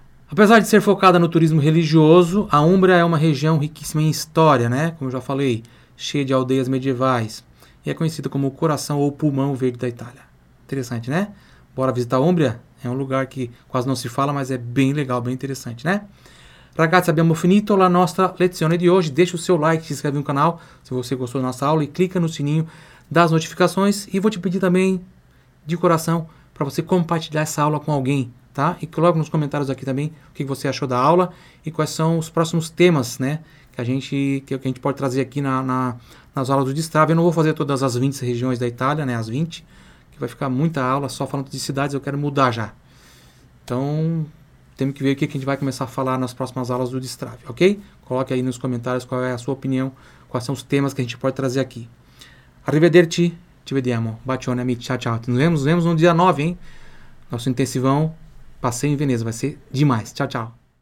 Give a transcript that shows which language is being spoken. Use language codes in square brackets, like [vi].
[pt] Apesar de ser focada no turismo religioso, a Úmbria é uma região riquíssima em história, né? Como eu já falei, cheia de aldeias medievais. E é conhecida como o coração ou pulmão verde da Itália. Interessante, né? Bora visitar a Úmbria? É um lugar que quase não se fala, mas é bem legal, bem interessante, né? [it] Ragazzi, abbiamo finito la nostra lezione di oggi. [pt] Deixa o seu like, se inscreve no canal, se você gostou da nossa aula, e clica no sininho das notificações. E vou te pedir também, de coração, para você compartilhar essa aula com alguém, tá? E coloque nos comentários aqui também o que você achou da aula e quais são os próximos temas, né? Que a gente pode trazer aqui nas aulas do Destrave. Eu não vou fazer todas as 20 regiões da Itália, né? As 20, que vai ficar muita aula só falando de cidades, eu quero mudar já. Então, temos que ver o que a gente vai começar a falar nas próximas aulas do Destrave, ok? Coloque aí nos comentários qual é a sua opinião, quais são os temas que a gente pode trazer aqui. [it] Arrivederci, ci vediamo, bacione amici, [pt] tchau, tchau. Nos vemos no dia 9, hein? Nosso intensivão, passeio em Veneza, vai ser demais. Tchau, tchau.